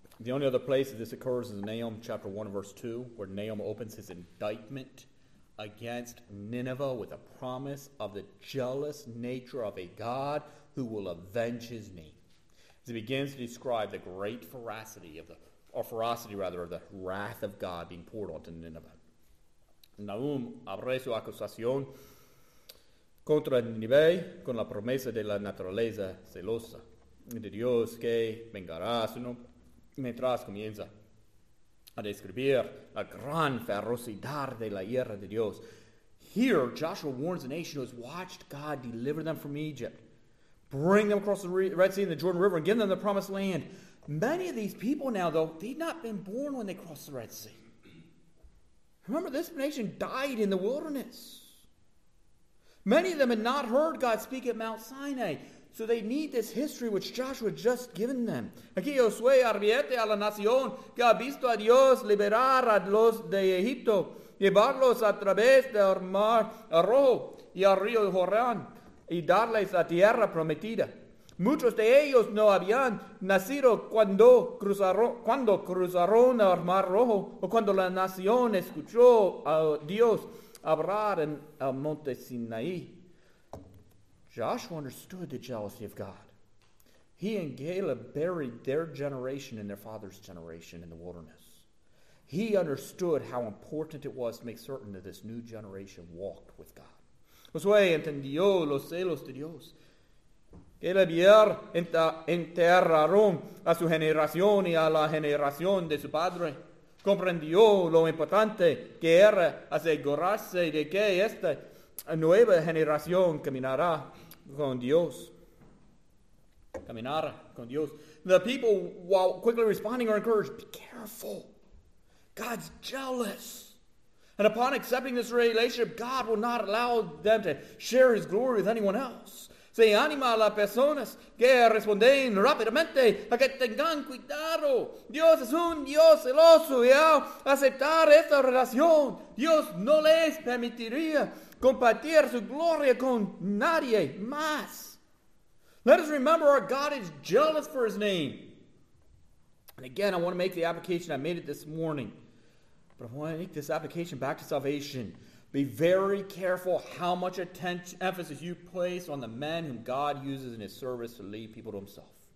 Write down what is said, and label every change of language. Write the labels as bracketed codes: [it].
[en] The only other place that this occurs is Nahum chapter 1 verse 2, where Nahum opens his indictment against Nineveh with a promise of the jealous nature of a God who will avenge his name. As he begins to describe the great ferocity of the wrath of God being poured onto Nineveh. [es] Nahum abre su acusación contra Nineveh con la promesa de la naturaleza celosa de Dios que vengará su nombre, mientras comienza a describir la gran ferocidad de la ira de Dios. [en] Here, Joshua warns the nation who has watched God deliver them from Egypt, bring them across the Red Sea and the Jordan River, and give them the promised land. Many of these people now, though, they'd not been born when they crossed the Red Sea. Remember, this nation died in the wilderness. Many of them had not heard God speak at Mount Sinai. So they need this history which Joshua had just given them. [es] Aquí Josué advierte a la nación que ha visto a Dios liberar a los de Egipto, llevarlos a través del mar rojo y al río Jordán y darles la tierra prometida. Muchos de ellos no habían nacido cuando cruzaron el Mar Rojo o cuando la nación escuchó a Dios hablar en el monte Sinaí. [en] Joshua understood the jealousy of God. He and Caleb buried their generation and their father's generation in the wilderness. He understood how important it was to make certain that this new generation walked with God. [es] Josué entendió los celos de Dios. que le enterraron a su generación y a la generación de su padre. Comprendió lo importante que era asegurarse de que esta nueva generación caminará con Dios. Caminará con Dios. [en] The people, while quickly responding, are encouraged, be careful. God's jealous. And upon accepting this relationship, God will not allow them to share his glory with anyone else. [es] Se anima a las personas que responden rápidamente a que tengan cuidado. Dios es un Dios celoso y al aceptar esta relación, Dios no les permitiría compartir su gloria con nadie más. [en] Let us remember our God is jealous for his name. And again, I want to make the application. I made it this morning. But I want to make this application back to salvation. Be very careful how much attention, emphasis you place on the man whom God uses in his service to lead people to himself.